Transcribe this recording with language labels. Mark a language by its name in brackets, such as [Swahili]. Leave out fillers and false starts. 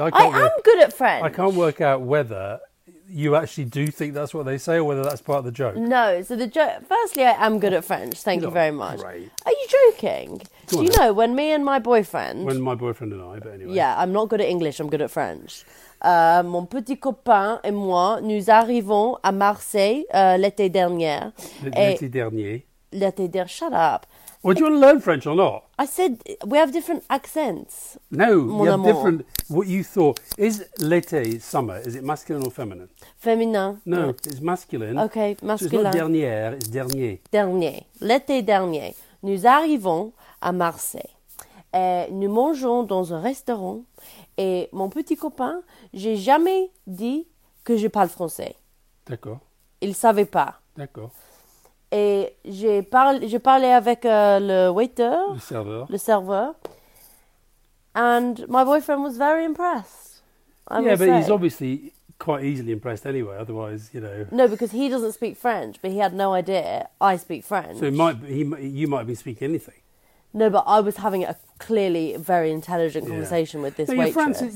[English] I am good at French. I can't work out whether you actually do think that's what they say or whether that's part of the joke. No, so the joke, firstly, I am good at French. Thank you very much. Great. Are you joking? Do you know, when me and my boyfriend... When my boyfriend and I, but anyway. Yeah, I'm not good at English, I'm good at French. [French] Mon petit copain et moi, nous arrivons à Marseille l'été dernier. L'été dernier. L'été dernier, [English] shut up. Well, do you want to learn French or not? I said we have different accents. No, we have different. What you thought is l'été, summer. Is it masculine or feminine? [French] Féminin. [English] No, it's masculine. Okay, masculine. So it's not dernière, it's dernier. [French] Dernier. L'été dernier. Nous arrivons à Marseille. Et nous mangeons dans un restaurant. Et mon petit copain, j'ai jamais dit que je parle français. D'accord. Il savait pas. D'accord. Et j'ai parlé avec le waiter. Le serveur. [English] And my boyfriend was very impressed. He's obviously quite easily impressed anyway. Otherwise, you know. No, because he doesn't speak French, but he had no idea I speak French. So you might be speaking anything. No, but I was having a clearly very intelligent conversation with this waitress.